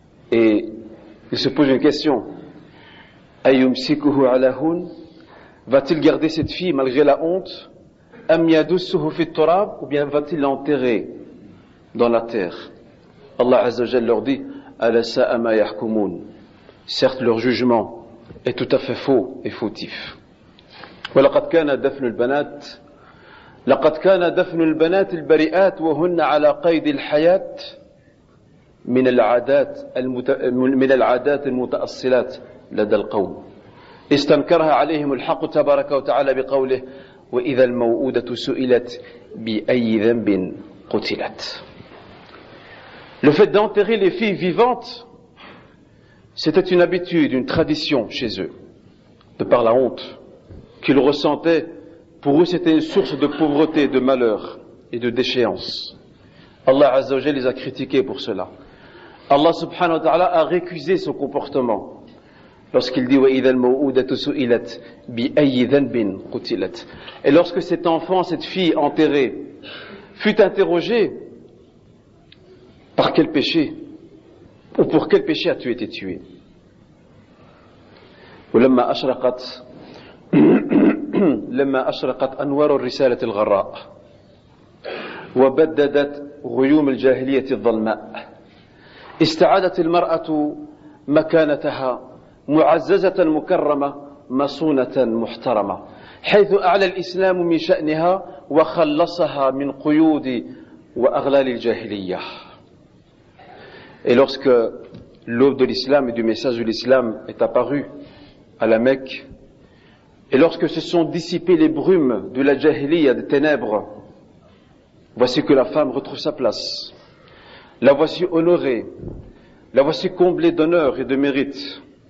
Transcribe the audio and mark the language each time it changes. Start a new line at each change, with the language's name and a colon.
French: Et il se pose une question.
Arabic: Ayumsikuhu ala hun,
French: va-t-il garder cette fille malgré la honte?
Arabic: Am yadussuhu fit turab,
French: ou bien va-t-il l'enterrer dans la terre? Allah Azza wa Jal leur dit,
Arabic: ala sa'a ma yahkumun.
French: Certes, leur jugement est tout à fait faux et fautif.
Arabic: Wa laqad kana dafnul banat. لقد كان دفن البنات البريئات وهن على قيد الحياة من العادات المتأصلات لدى القوم. استنكرها عليهم الحق تبارك وتعالى بقوله وإذا الموؤودة سئلت بأي ذنب قتلت.
French: Le fait d'enterrer les filles vivantes, c'était une habitude, une tradition chez eux, de par la honte qu'ils ressentaient. Pour eux, c'était une source de pauvreté, de malheur et de déchéance. Allah Azza wa Jal les a critiqués pour cela. Allah subhanahu wa ta'ala a récusé ce comportement lorsqu'il dit
Arabic: وَإِذَا الْمَوْءُودَةُ سُئِلَتْ بِأَيِّ ذَنْبٍ قُتِلَتْ.
French: Et lorsque cet enfant, cette fille enterrée, fut interrogée, par quel péché ou pour quel péché as-tu été tué?
Arabic: وَلَمَّا أَشْرَقَتْ لما أشرقت أنوار الرسالة الغراء وبددت غيوم الجاهلية الظلماء استعادت المرأة مكانتها معززة مكرمة مصونة محترمة حيث أعلى الإسلام من شأنها وخلصها من قيود وأغلال الجاهلية.
French: Et lorsque l'aube de l'islam et du message de l'islam est apparu à la Mecque, et lorsque se sont dissipées les brumes de la jahiliya, des ténèbres, voici que la femme retrouve sa place. La voici honorée. La voici comblée d'honneur et de mérite.